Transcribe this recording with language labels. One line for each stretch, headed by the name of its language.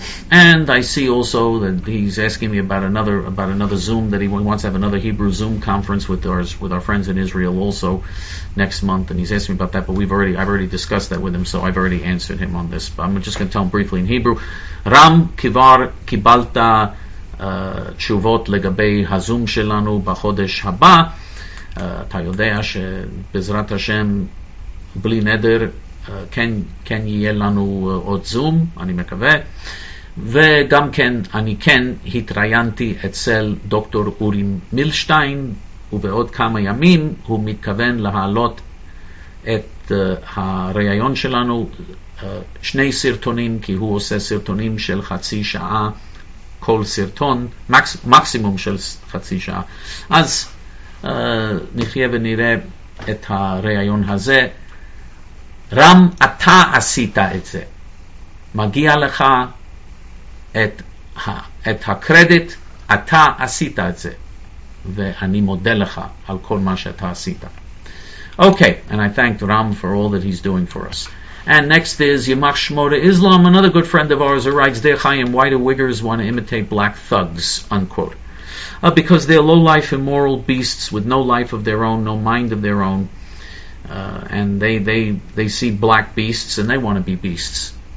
English: And I see also that he's asking me about another Zoom that he wants to have another Hebrew Zoom conference with our friends in Israel also next month. And he's asking me about that, but I've already discussed that with him, so I've already answered him on this. But I'm just going to tell him briefly in Hebrew.
Hebrew: Ram kivar kibalta. תשובות לגבי הזום שלנו בחודש הבא. אתה יודע שבעזרת השם בלי נדר כן יהיה לנו עוד זום, אני מקווה. וגם כן, אני כן התראיינתי אצל דוקטור אורי מילשטיין, ובעוד כמה ימים הוא מתכוון להעלות את הריאיון שלנו, שני סרטונים, כי הוא עושה סרטונים של חצי שעה כל סרטון, מקסימום של חצי שעה. אז נחיה ונראה את הרעיון הזה. רם, אתה עשית את זה. מגיע לך את הקרדיט, אתה עשית את זה. ואני מודה לך על כל מה שאתה עשית.
English: Okay, and I thanked Ram for all that he's doing for us. And next is Yemach Shmoda Islam, another good friend of ours, who writes, "Dear Chaim, why do Uyghurs want to imitate black thugs?" Unquote. Because they're low-life, immoral beasts with no life of their own, no mind of their own, and they see black beasts and they want to be beasts.